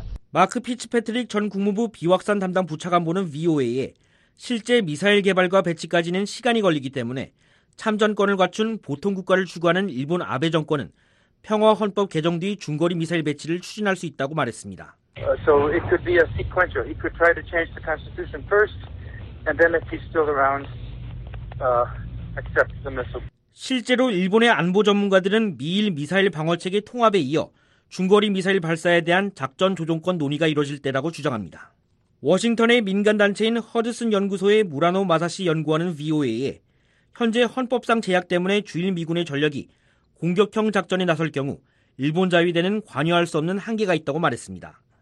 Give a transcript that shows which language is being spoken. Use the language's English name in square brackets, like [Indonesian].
[Korean] 마크 피츠패트릭 전 국무부 비확산 담당 부차관보는 VOA에 실제 미사일 개발과 배치까지는 시간이 걸리기 때문에 참전권을 갖춘 보통 국가를 추구하는 일본 아베 정권은 평화 헌법 개정 뒤 중거리 미사일 배치를 추진할 수 있다고 말했습니다. [English] So it could be a sequential. He could try to change the constitution first and then if he's still around accept the missile. [Korean] 실제로 일본의 안보 전문가들은 미일 미사일 방어 체계 통합에 이어 중거리 미사일 발사에 대한 작전 조정권 논의가 이뤄질 때라고 주장합니다. 워싱턴의 민간 단체인 허드슨 연구소의 무라노 마사시 연구원은 VOA에 현재 헌법상 제약 때문에 주일 미군의 전력이 공격형 작전에 나설 경우 일본 자위대는 관여할 수 없는 한계가 있다고 말했습니다.